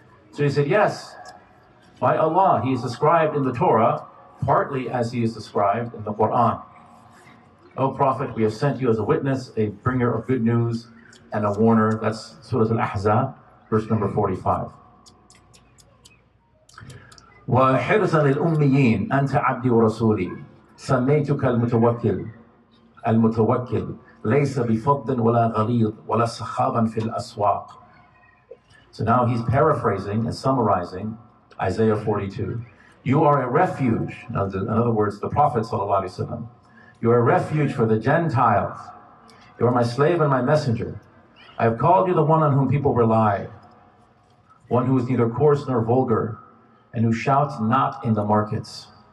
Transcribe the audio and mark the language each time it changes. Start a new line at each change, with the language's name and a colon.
English: So he said, yes, by Allah, he is described in the Torah, partly as he is described in the Quran. O Prophet, we have sent you as a witness, a bringer of good news, and a warner. That's Surah Al-Ahzab, verse number 45.
Arabic: وحرصا للأميين أنت عبدي ورسولي سميتك المتوكل المتوكل ليس بفض ولا غليظ ولا سخاضا في الأسواق.
English: So now he's paraphrasing and summarizing Isaiah 42. You are a refuge. In other words, the Prophet sallallahu alaihi wasallam. You are a refuge for the Gentiles. You are my slave and my messenger. I have called you the one on whom people rely, one who is neither coarse nor vulgar, and who shouts not in the markets.